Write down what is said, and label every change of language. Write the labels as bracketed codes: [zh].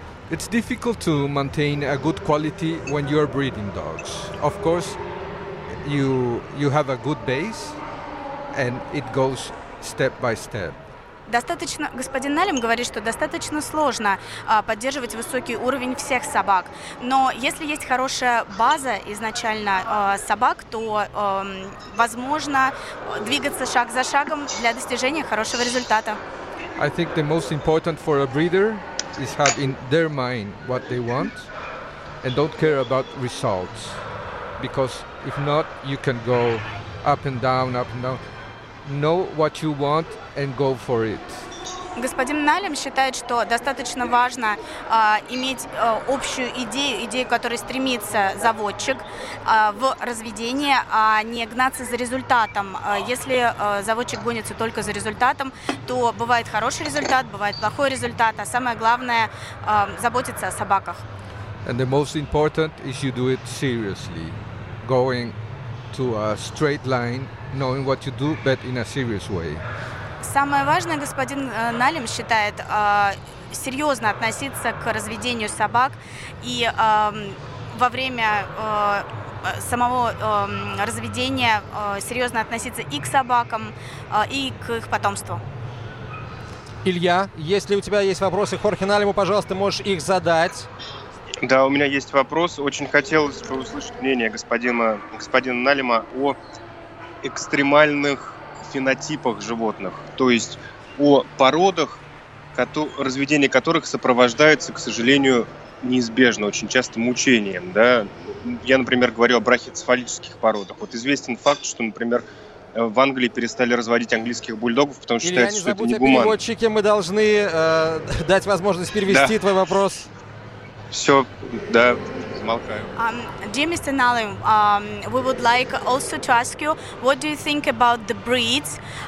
[en] It's difficult to maintain a good quality when you are breeding dogs. Of course, you have a good base and it goes step by step. [ru] Достаточно, господин Налем говорит, что достаточно сложно поддерживать высокий уровень всех собак. Но если есть хорошая база изначально собак, то возможно двигаться шаг за шагом для достижения хорошего результата. [en] I think the most important for a breeder is have in their mind what they want and don't care about results. Because if not, you can go up and down. Know what you want and go for it. [ru] Господин Налем считает, что достаточно важно иметь общую идею, к которой стремится заводчик в разведении, а не гнаться за результатом. Если заводчик гонится только за результатом, то бывает хороший результат, бывает плохой результат, а самое главное заботиться о собаках. [en] And the most important is you do it seriously, going to a straight line, knowing what you do, but in a serious way. [ru] Самое важное, господин Налем считает, серьезно относиться к разведению собак и во время самого разведения серьезно относиться и к собакам, и к их потомству. Илья, если у тебя есть вопросы Хорхе Нальму, пожалуйста, можешь их задать. Да, у меня есть вопрос. Очень хотелось бы услышать мнение господина Нальма о экстремальных фенотипах животных, то есть о породах, разведение которых сопровождается, к сожалению, неизбежно, очень часто мучением. Да? Я, например, говорю о брахицефалических породах. Вот известен факт, что, например, в Англии перестали разводить английских бульдогов, потому что считается, что это не гуманно. Илья, не забудь о переводчике, мы должны дать возможность перевести твой вопрос. Все, да, замолкаю. [en] Dear Mr. Nalim, we would like also to ask you, what do you think about the breeds?